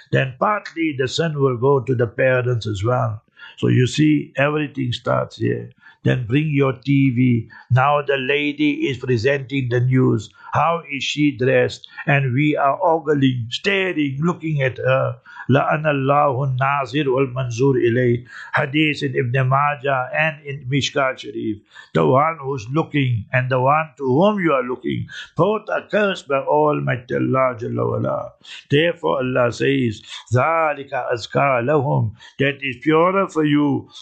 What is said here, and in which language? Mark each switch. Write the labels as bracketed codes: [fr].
[en] Then partly the sin will go to the parents as well. So you see, everything starts here. Then bring your TV. Now the lady is presenting the news. How is she dressed? And we are ogling, staring, looking at her. [ar] لأن الله الناظر والمنظور إليه. [en] حديث in Ibn Majah and in Mishkat Sharif. The one who's looking and the one to whom you are looking, both are cursed by Almighty Allah Jalla Wala. Therefore Allah says, [ar] ذَلِكَ أَزْكَى لَهُمْ, [en] that is purer for you.